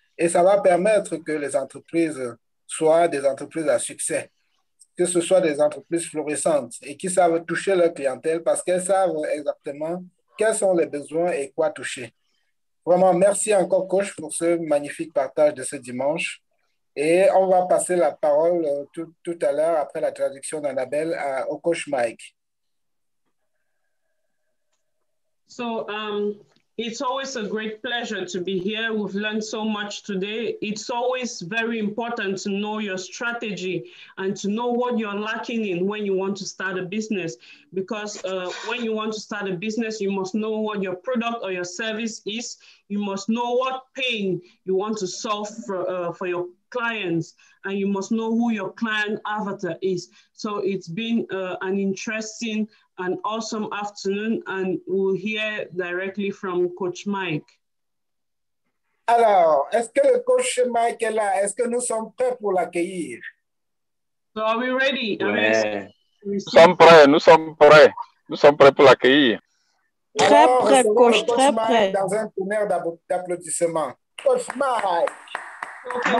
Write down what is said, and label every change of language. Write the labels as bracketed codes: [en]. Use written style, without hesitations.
[fr] Et ça va permettre que les entreprises soient des entreprises à succès, que ce soit des entreprises florissantes et qui savent toucher leur clientèle parce qu'elles savent exactement quels sont les besoins et quoi toucher. Vraiment, merci encore, coach, pour ce magnifique partage de ce dimanche. Et on va passer la parole tout à l'heure, après la traduction d'Annabelle, au coach Mike. [en] So It's always a great pleasure to be here. We've learned so much today. It's always very important to know your strategy and to know what you're lacking in when you want to start a business. Because when you want to start a business, you must know what your product or your service is. You must know what pain you want to solve for your clients. And you must know who your client avatar is. So it's been an interesting an awesome afternoon, and we'll hear directly from Coach Mike. [fr] Alors, est-ce que le coach Mike est là? Est-ce que nous sommes prêts pour l'accueillir? [en] So are we ready? [fr] Nous sommes prêts, nous sommes prêts. Nous sommes prêts pour l'accueillir. Très alors, prêt, coach, très Mike prêt. Dans un tonnerre d'applaudissements. Coach Mike!